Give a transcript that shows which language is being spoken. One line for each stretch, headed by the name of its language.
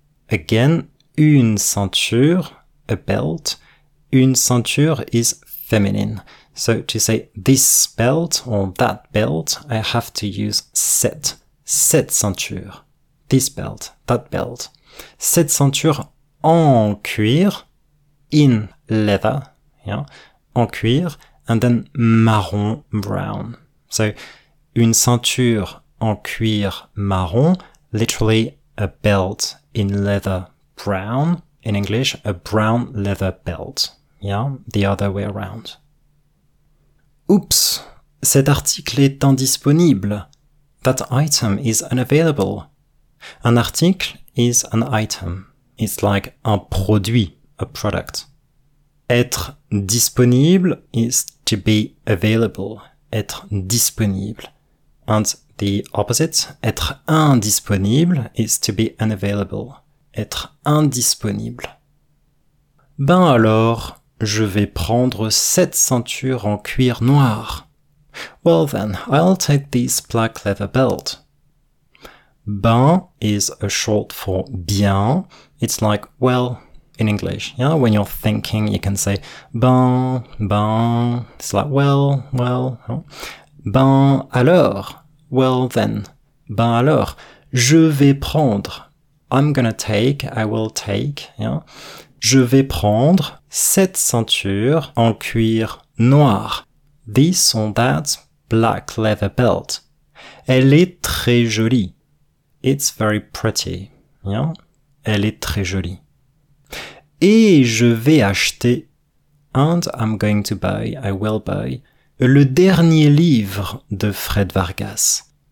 English: Again,
French: une ceinture,
English: a belt,
French: une ceinture
English: is feminine. So to say this belt or that belt, I have to use
French: cette, cette ceinture,
English: this belt, that belt.
French: Cette ceinture en cuir,
English: in leather,
French: yeah, en cuir,
English: and then
French: marron, brown.
English: So,
French: une ceinture en cuir marron,
English: literally a belt in leather, brown. In English, a brown leather belt. Yeah, the other way around.
French: Oups, cet article est indisponible.
English: That item is unavailable.
French: Un article
English: is an item. It's like
French: un produit,
English: a product.
French: Être disponible
English: is to be available.
French: Être disponible.
English: And the opposite,
French: être indisponible
English: is to be unavailable.
French: Être indisponible. Ben alors, je vais prendre cette ceinture en cuir noir.
English: Well then, I'll take this black leather belt. Ben is a short for bien. It's like, well, in English. Yeah, when you're thinking, you can say ben, ben. It's like, well, well.
French: Ben alors,
English: well then.
French: Ben alors, je vais prendre.
English: I'm gonna take, I will take. Yeah.
French: Je vais prendre cette ceinture en cuir noir.
English: This or that black leather belt.
French: Elle est très jolie.
English: It's very pretty. Yeah.
French: Elle est très jolie. Et je vais acheter,
English: and I'm going to buy, I will buy,
French: le dernier livre de Fred Vargas.